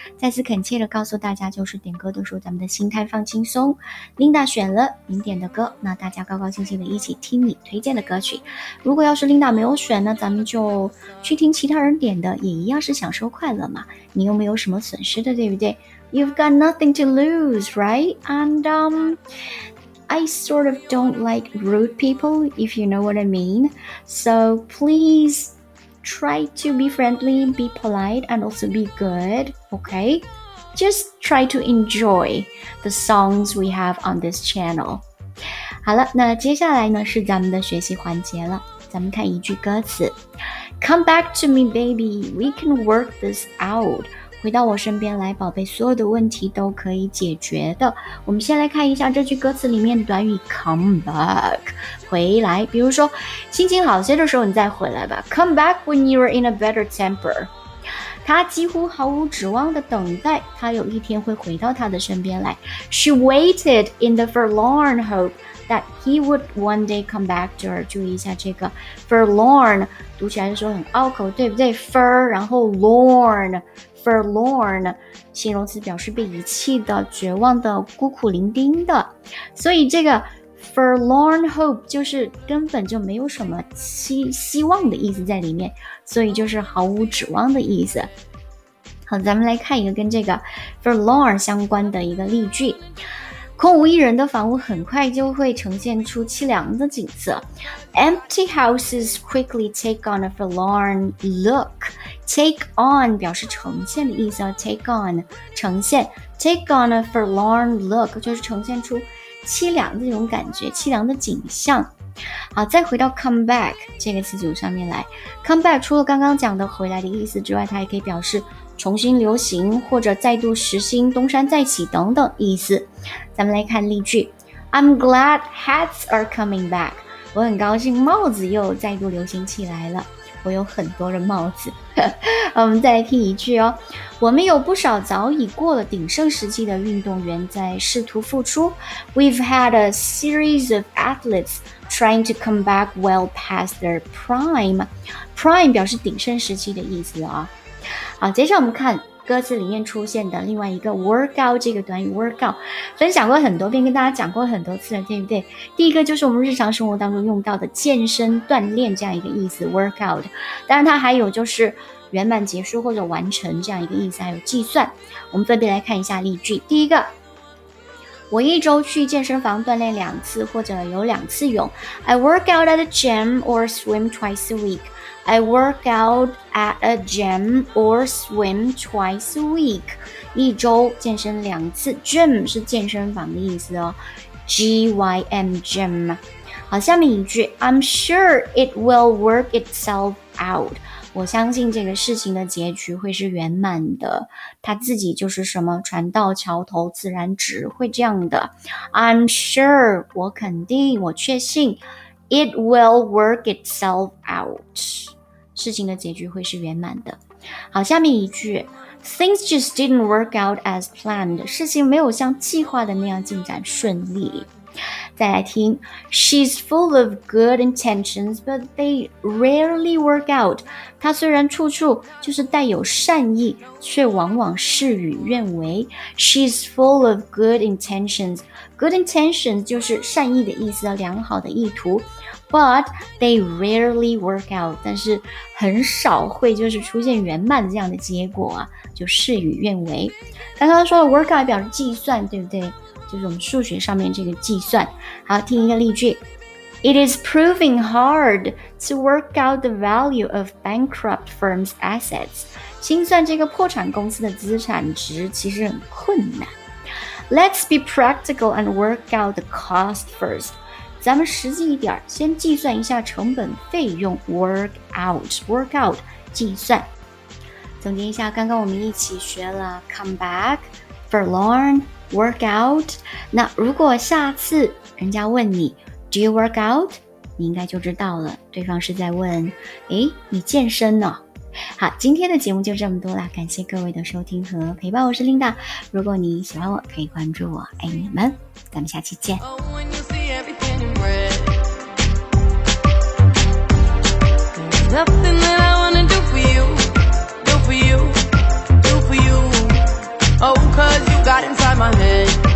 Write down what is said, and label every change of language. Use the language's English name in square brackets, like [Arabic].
[Chinese] 再次恳切地告诉大家，就是点歌的时候咱们的心态放轻松， Linda 选了您点的歌，那大家高高兴兴地一起听你推荐的歌曲。如果要是 Linda 没有选呢，咱们就去听其他人点的，也一样是享受快乐嘛，你又没有什么损失的，对不对？ [English] You've got nothing to lose, right? And I sort of don't like rude people, if you know what I mean. So please try to be friendly, be polite, and also be good, okay? Just try to enjoy the songs we have on this channel. [Chinese] 好了，那接下来呢是咱们的学习环节了。咱们看一句歌词。 [English] Come back to me, baby. We can work this out. [Chinese] 回到我身边来，宝贝，所有的问题都可以解决的。我们先来看一下这句歌词里面的短语 come back， 回来。比如说，心情好些的时候你再回来吧。 [English] Come back when you are in a better temper。 [Chinese] 他几乎毫无指望地等待他有一天会回到他的身边来。 [English] She waited in the forlorn hope that he would one day come back to her. [Chinese] 注意一下这个 forlorn， 读起来的时候很拗口，对不对？ for 然后 lorn， forlorn， 形容词表示被遗弃的、绝望的、孤苦伶仃的。所以这个Forlorn hope 就是根本就没有什么 希望的意思在里面，所以就是毫无指望的意思。好，咱们来看一个跟这个 forlorn 相关的一个例句。空无一人的房屋很快就会呈现出凄凉的景色。 [English] Empty houses quickly take on a forlorn look. [Chinese] Take on 表示呈现的意思， take on 呈现， [English] take on a forlorn look [Chinese] 就是呈现出凄凉的这种感觉，凄凉的景象。好，再回到 come back 这个词组上面来。come back 除了刚刚讲的回来的意思之外，它也可以表示重新流行或者再度时兴、东山再起等等意思。咱们来看例句。 [English] I'm glad hats are coming back. [Chinese] 我很高兴帽子又再度流行起来了。我有很多的帽子。我们再来听一句哦。我们有不少早已过了鼎盛时期的运动员在试图复出。 [English] We've had a series of athletes trying to come back well past their prime. [Chinese] Prime 表示鼎盛时期的意思啊。好，接下来我们看歌词里面出现的另外一个 workout 这个短语。 workout 分享过很多遍，跟大家讲过很多次了，对不对？第一个就是我们日常生活当中用到的健身锻炼这样一个意思 workout， 当然它还有就是圆满结束或者完成这样一个意思，还有计算。我们分别来看一下例句。第一个，我一周去健身房锻炼两次或者有两次泳。 [English] I work out at a gym or swim twice a weekI work out at a gym or swim twice a week. [Chinese] 一周健身两次。 Gym 是健身房的意思哦。 G-Y-M, gym. 好，下面一句。 [English] I'm sure it will work itself out. [Chinese] 我相信这个事情的结局会是圆满的。它自己就是什么船到桥头自然直，会这样的。 [English] I'm sure, [Chinese] 我肯定，我确信。 [English] It will work itself out. [Chinese] 事情的结局会是圆满的。好，下面一句。 [English] Things just didn't work out as planned. [Chinese] 事情没有像计划的那样进展顺利。再来听。 [English] She's full of good intentions, but they rarely work out. [Chinese] 她虽然处处就是带有善意，却往往事与愿违。 [English] She's full of good intentions. [Chinese] Good intentions 就是善意的意思，良好的意图。 [English] But they rarely work out. [Chinese] 但是很少会就是出现圆满这样的结果啊，就事与愿违。刚刚说的 work out 表示计算，对不对？就是我们数学上面这个计算。好，听一个例句。 [English] It is proving hard to work out the value of bankrupt firms' assets. [Chinese] 清算这个破产公司的资产值其实很困难。 [English] Let's be practical and work out the cost first. [Chinese] 咱们实际一点，先计算一下成本费用。 Work out， 计算。总结一下，刚刚我们一起学了 come back, forlorn, work out。那如果下次人家问你 [English] Do you work out? [Chinese] 你应该就知道了，对方是在问，诶，你健身呢？好，今天的节目就这么多了，感谢各位的收听和陪伴，我是 Linda。如果你喜欢我，可以关注我，爱你们，咱们下期见。 [English] Nothing that I wanna do for you, do for you, do for you. Oh, 'cause you got inside my head.